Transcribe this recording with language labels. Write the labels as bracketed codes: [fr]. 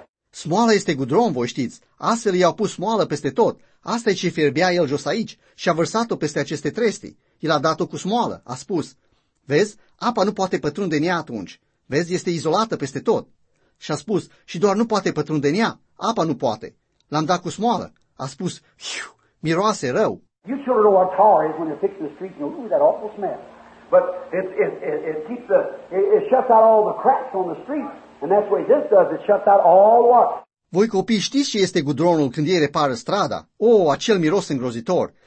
[ro] Smoala este gudron, voi știți. Astfel i-au pus smoală peste tot. Asta e ce fierbea el jos aici și a vărsat-o peste aceste trestii. El a dat-o cu smoală. A spus, vezi, apa nu poate pătrunde în ea atunci. Vezi, este izolată peste tot. Și a spus, și doar nu poate pătrunde în ea. Apa nu poate. L-am dat cu smoală. A spus, miroase rău. [en] You should know what tar is when you fix the street. You know that awful smell. But it shuts out all the cracks on the street. And that's what this does, it shuts out all water. [ro] Voi copii știți ce este gudronul când ei repară strada? Oh, acel miros îngrozitor.